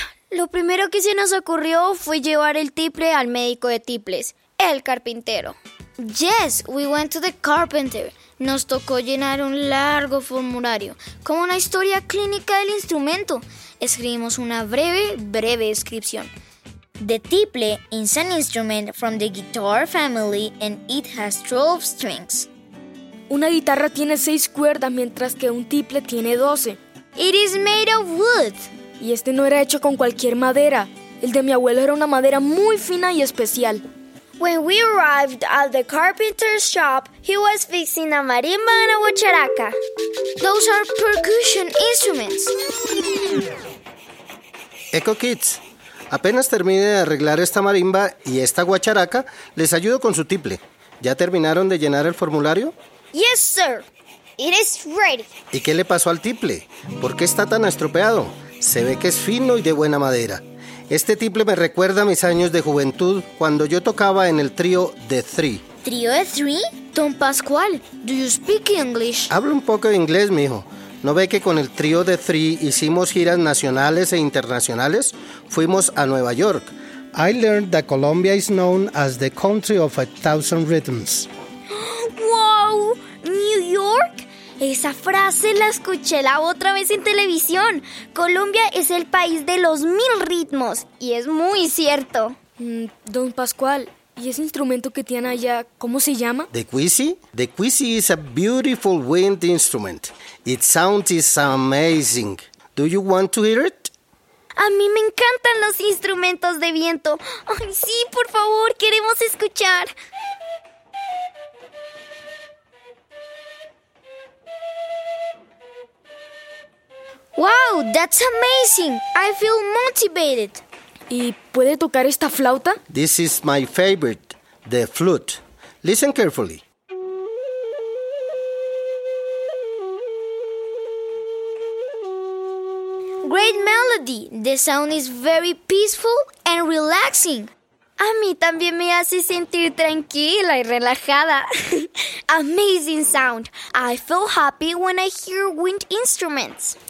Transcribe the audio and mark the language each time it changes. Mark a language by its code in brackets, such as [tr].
[es] Lo primero que se nos ocurrió fue llevar el tiple al médico de tiples, el carpintero. [en] Yes, we went to the carpenter. [es] Nos tocó llenar un largo formulario, como una historia clínica del instrumento. Escribimos una breve, breve descripción. [en] The tiple is an instrument from the guitar family and it has 12 strings. [es] Una guitarra tiene 6 cuerdas mientras que un tiple tiene 12. [en] It is made of wood. [es] Y este no era hecho con cualquier madera. El de mi abuelo era una madera muy fina y especial. [en] When we arrived at the carpenter's shop, he was fixing a marimba and a guacharaca. Those are percussion instruments. [es] Eco Kids, apenas termine de arreglar esta marimba y esta guacharaca, les ayudo con su tiple. ¿Ya terminaron de llenar el formulario? [en] Yes, sir. It is ready. [es] ¿Y qué le pasó al tiple? ¿Por qué está tan estropeado? Se ve que es fino y de buena madera. Este tiple me recuerda a mis años de juventud cuando yo tocaba en el trío The Three. [en] ¿Trío de Three? Don Pascual, do you speak English? [es] Hablo un poco de inglés, mijo. ¿No ve que con el trío The Three hicimos giras nacionales e internacionales? Fuimos a Nueva York. [en] I learned that Colombia is known as the country of 1,000 rhythms. ¡Wow! ¿New York? [es] Esa frase la escuché la otra vez en televisión. Colombia es el país de los mil ritmos. Y es muy cierto. Don Pascual, ¿y ese instrumento que tiene allá, cómo se llama? [en] The Quizzy. The Quizzy is a beautiful wind instrument. Its sound is amazing. Do you want to hear it? [es] A mí me encantan los instrumentos de viento. Ay, sí, por favor, queremos escuchar. [en] Wow, that's amazing. I feel motivated. [es] ¿Y puede tocar esta flauta? [en] This is my favorite, the flute. Listen carefully. Great melody. The sound is very peaceful and relaxing. [es] A mí también me hace sentir tranquila y relajada. [en] Amazing sound. I feel happy when I hear wind instruments.